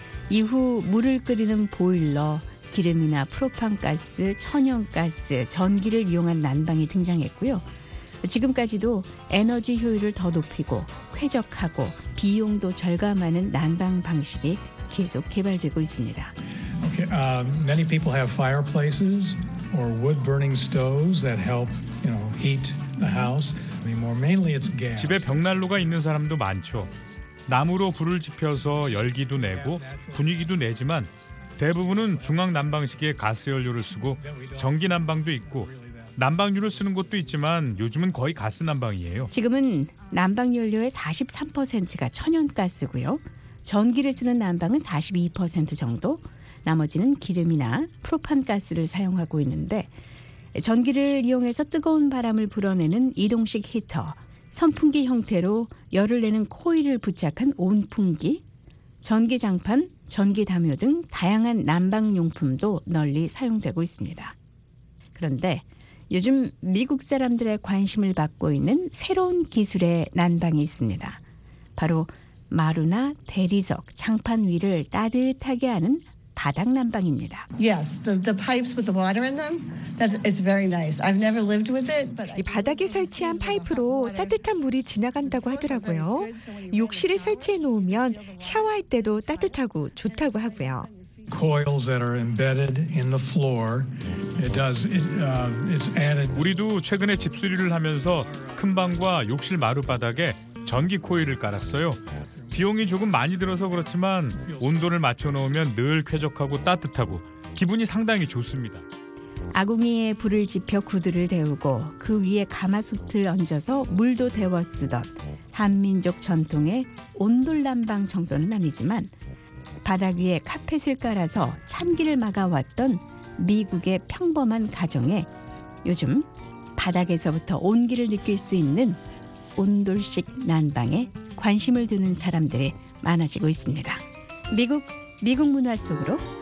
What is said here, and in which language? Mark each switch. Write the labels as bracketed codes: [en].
[ko] 이후 물을 끓이는 보일러, 기름이나 프로판가스, 천연가스, 전기를 이용한 난방이 등장했고요. 지금까지도 에너지 효율을 더 높이고 쾌적하고 비용도 절감하는 난방 방식이 계속 개발되고 있습니다. [en] Okay, many people have fireplaces or wood burning stoves that help, you know, heat the house. I mean, more mainly it's gas. [ko] 집에 벽난로가 있는 사람도 많죠. 나무로 불을 지펴서 열기도 내고 분위기도 내지만 대부분은 중앙 난방식의 가스 연료를 쓰고 전기 난방도 있고 난방유를 쓰는 것도 있지만 요즘은 거의 가스 난방이에요. 지금은 난방 연료의 43%가 천연가스고요. 전기를 쓰는 난방은 42% 정도. 나머지는 기름이나 프로판가스를 사용하고 있는데 전기를 이용해서 뜨거운 바람을 불어내는 이동식 히터, 선풍기 형태로 열을 내는 코일을 부착한 온풍기, 전기장판, 전기담요 등 다양한 난방용품도 널리 사용되고 있습니다. 그런데 요즘 미국 사람들의 관심을 받고 있는 새로운 기술의 난방이 있습니다. 바로 마루나 대리석, 장판 위를 따뜻하게 하는 바닥 난방입니다. [en] Yes, the pipes with the water in them. It's very nice. I've never lived with it, but [ko] 이 바닥에 설치한 파이프로 따뜻한 물이 지나간다고 하더라고요. 욕실에 설치해 놓으면 샤워할 때도 따뜻하고 좋다고 하고요. [en] Coils that are embedded in the floor. It's added. [ko] 우리도 최근에 집 수리를 하면서 큰 방과 욕실 마루 바닥에 전기 코일을 깔았어요. 비용이 조금 많이 들어서 그렇지만 온도를 맞춰놓으면 늘 쾌적하고 따뜻하고 기분이 상당히 좋습니다. 아궁이에 불을 지펴 구두를 데우고 그 위에 가마솥을 얹어서 물도 데워 쓰던 한민족 전통의 온돌난방 정도는 아니지만 바닥 위에 카펫을 깔아서 참기를 막아왔던 미국의 평범한 가정에 요즘 바닥에서부터 온기를 느낄 수 있는 온돌식 난방에 관심을 두는 사람들이 많아지고 있습니다. 미국 문화 속으로